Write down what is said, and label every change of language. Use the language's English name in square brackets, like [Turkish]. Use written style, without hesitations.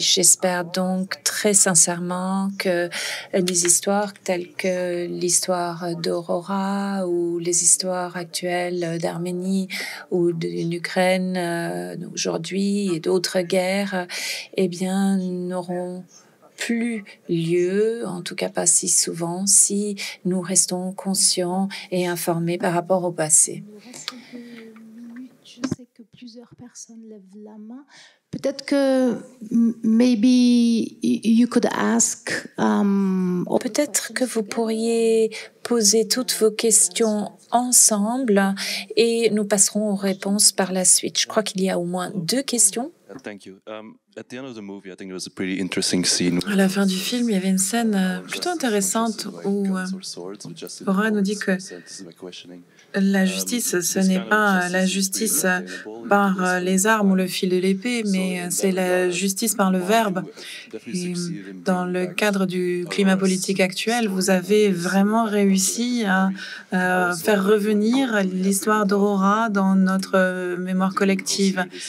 [French] J'espère donc très sincèrement que des histoires telles que l'histoire d'Aurora ou les histoires actuelles d'Arménie ou d'une Ukraine aujourd'hui et d'autres guerres, eh bien, n'auront plus lieu, en tout cas pas si souvent, si nous restons conscients et informés par rapport au passé. Il reste quelques minutes. Je sais que plusieurs personnes lèvent la main. Peut-être que [English] maybe you could ask. [French] Peut-être que vous pourriez poser toutes vos questions ensemble et nous passerons aux réponses par la suite. Je crois qu'il y a au moins deux questions. [English] Thank you. At the end of the movie, I think it was a pretty interesting scene. [French] À la fin du film, il y avait une scène plutôt intéressante où Aurora nous dit que la justice, ce n'est pas la justice par les armes ou le fil de l'épée, mais c'est la justice par le verbe. Et dans le cadre du climat politique actuel, vous avez vraiment réussi à faire revenir l'histoire d'Aurora dans notre mémoire collective.